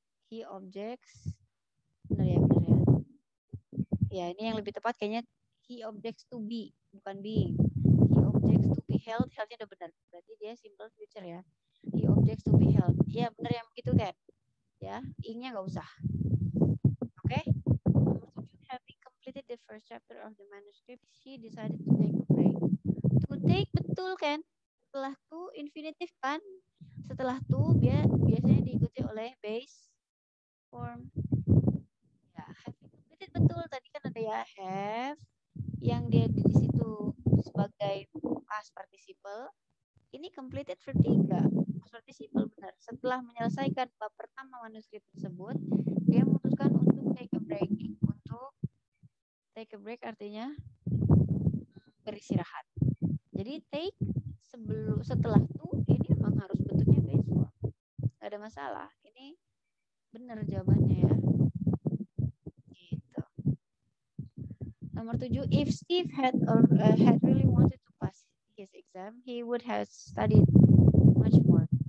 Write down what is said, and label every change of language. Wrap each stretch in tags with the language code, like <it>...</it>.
<en>He objects.</en> <id>Benar ya. Ya, ini yang lebih tepat kayaknya.</id> <en>He objects to be, bukan being. He objects to be held.</en> <id>Held-nya udah benar. Berarti dia simple future ya.</id> <en>He objects to be held.</en> <id>Iya, benar yang begitu, kan? Ya, ing-nya nggak usah. Oke? Okay?</id> <en>Having completed the first chapter of the manuscript, she decided to take a break.</en> <id>To take, betul, kan? Setelah to, infinitive, kan? Setelah to, biasanya diikuti oleh base form. Ya, having completed, betul. Tadi kan ada ya, have. Yang dia di situ sebagai past participle. Ini completed verb 3. Past participle benar. Setelah menyelesaikan bab pertama manuskrip tersebut, dia memutuskan untuk take a break. Untuk take a break artinya beristirahat. Jadi take sebelum setelah itu ini memang harus bentuknya base form. Gak ada masalah. Ini benar jawabannya ya.</id> <en>Nomor 7, if Steve had really wanted to pass his exam, he would have studied much more.</en>